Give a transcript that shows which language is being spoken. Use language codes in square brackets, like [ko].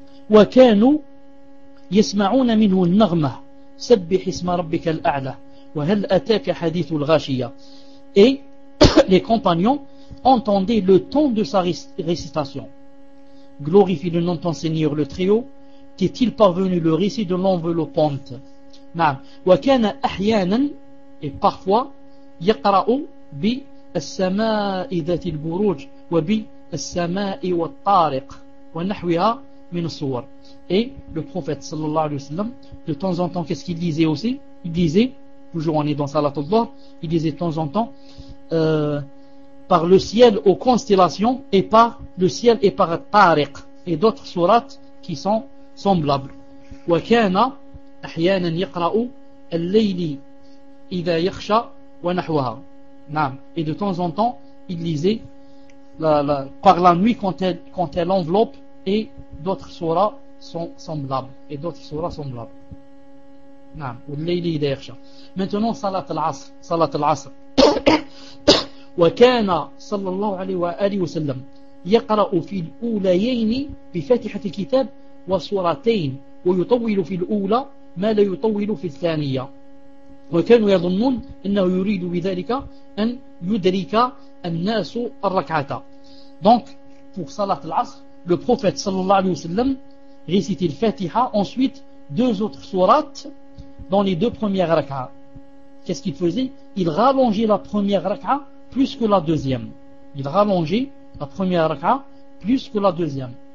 [ar] وكانوا يسمعون منه النغمة سبح اسم ربك الأعلى وهل أتاك حديث الغاشية. [fr] Et les compagnons entendaient le ton de sa récitation. Glorifie le nom de ton Seigneur le Très-Haut. T'est-il parvenu le récit de l'enveloppante? [ar] نعم. وكان أحيانا [fr] et parfois [ar] يقرأ بالسماء ذات البروج وبالسماء والطارق ونحوها من الصور. [fr] Et le prophète sallallahu alayhi wa sallam, de temps en temps, qu'est-ce qu'il disait aussi? Il disait, toujours on est dans Salat al-Dhuhr, il disait de temps en temps, par le ciel aux constellations, et par le ciel et par Tariq, et d'autres sourates qui sont semblables. [ar] Wa kana ahyana yaqra'u al-layli idha yakhsha wa nahwaha. Naam. [fr] Et de temps en temps, il disait par la nuit quand elle enveloppe, et d'autres sourates sont semblables, et d'autres sourates semblables. Naam. [ar] Ou al-layli idha yakhsha. [fr] Maintenant, Salat al-Asr. Salat al-Asr. [ar] وكان صلى الله عليه وآله وسلم يقرأ في الأوليين بفاتحة الكتاب وسورتين ويطول في الأولى ما لا يطول في الثانية وكانوا يظنون أنه يريد بذلك أن يدرك الناس الركعة. [fr] Donc pour Salat al-Asr, le prophète صلى الله عليه وسلم récite الفاتحة, ensuite deux autres sourates dans les deux premières rak'a. Qu'est-ce qu'il faisait? Il rallongeait la première rak'a plus que la deuxième. Il rallongeait la première raka plus que la deuxième.